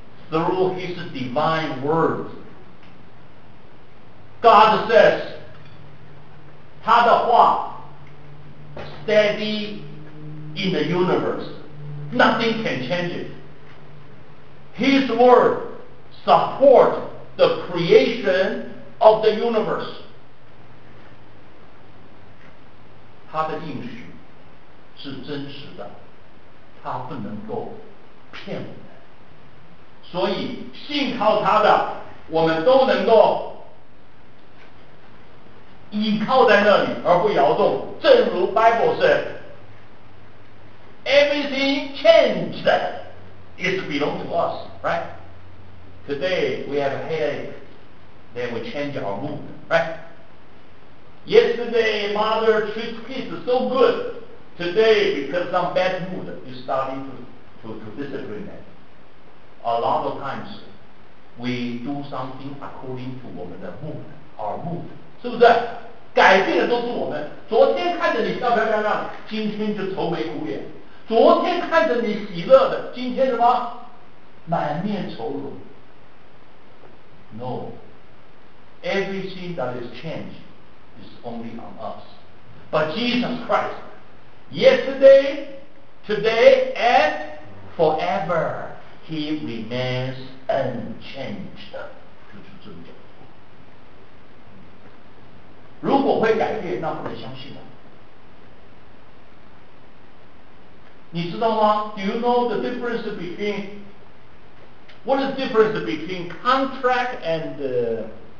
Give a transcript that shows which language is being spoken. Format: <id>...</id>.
<en>Through his divine word, God says,</en> <zh>他的话</zh> <en>steady in the universe, nothing can change it. His word supports the creation of the universe.</en> <zh>他的应许是真实的，他不能够骗我。所以信靠他的，我们都能够依靠在那里而不摇动。</zh> <en>正如 Bible said, everything changed is belong to us, right? Today we have a headache, then we change our mood, right? Yesterday mother treats kids so good, today because some bad mood is starting to disagree that. A lot of times, we do something according to</en> <zh>我们的</zh> <en>mood, our mood.</en> <zh>是不是？改变的都是我们。昨天看着你漂漂亮亮，今天就愁眉苦脸。昨天看着你喜乐的，今天什么？满面愁容。</zh> <en>No, everything that is changed is only on us. But Jesus Christ, yesterday, today, and forever. He remains unchanged.</en> <zh>就是这么讲。如果会改变，那不能相信了。你知道吗？</zh> <en>Do you know the difference between what is the difference between contract and</en>